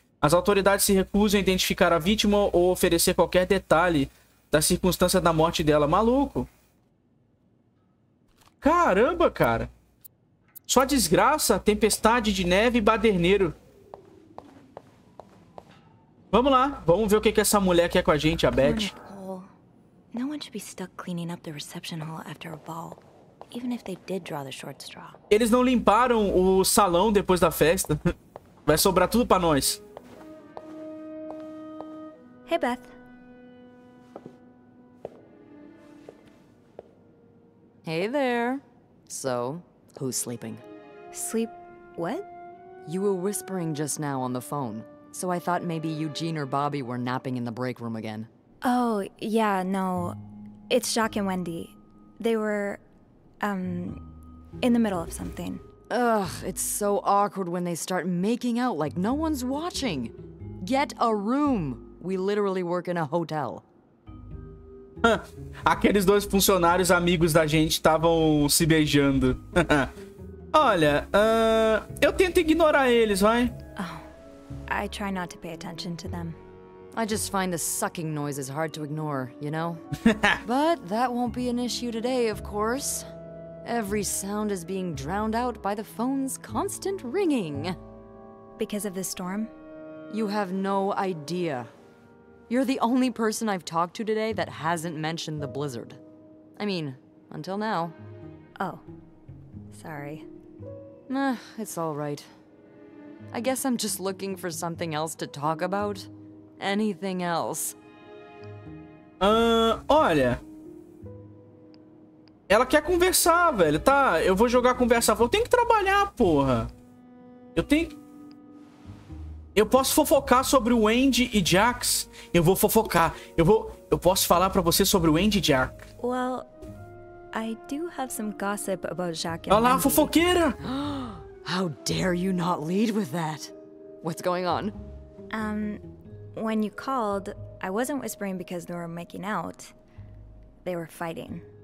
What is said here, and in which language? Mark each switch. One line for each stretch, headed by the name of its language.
Portuguese: As autoridades se recusam a identificar a vítima ou oferecer qualquer detalhe da circunstância da morte dela. Maluco. Caramba, cara. Só desgraça, tempestade de neve e baderneiro. Vamos lá. Vamos ver o que essa mulher quer com a gente, a Beth. Não
English: one should be stuck cleaning up the reception hall after a ball. Even if they did draw the short straw.
Portuguese: Eles não limparam o salão depois da festa. Vai sobrar tudo pra nós.
English: Hey, Beth. Hey there. So, who's sleeping? Sleep what? You were whispering just now on the phone. So I thought maybe Eugene or Bobby were napping in the break room again. Oh, yeah, no. It's Jacques and Wendy. They were... in the middle of something. Ugh, it's so awkward when they start making out like no one's watching. Get a room. We literally work in a hotel.
Portuguese: Aqueles dois funcionários amigos da gente estavam se beijando. Olha, eu tento ignorar eles, vai?
English: Oh, I try not to pay attention to them. I just find the sucking noises hard to ignore, you know? But that won't be an issue today, of course. Every sound is being drowned out by the phone's constant ringing. Because of the storm? You have no idea. You're the only person I've talked to today that hasn't mentioned the blizzard. I mean, until now. Oh, sorry. It's all right. I guess I'm just looking for something else to talk about. Anything else.
Portuguese: Olha. Ela quer conversar, velho. Tá, eu vou jogar a conversa. Eu tenho que trabalhar, porra. Eu posso fofocar sobre o Andy e Jax? Eu vou fofocar. Eu posso falar pra você sobre o Andy e Jax.
English: Well, I do have some gossip about Jack.
Portuguese: Olha lá, a fofoqueira!
English: How dare you not lead with that? What's going on? When you called, I wasn't whispering because they were making out. They were fighting.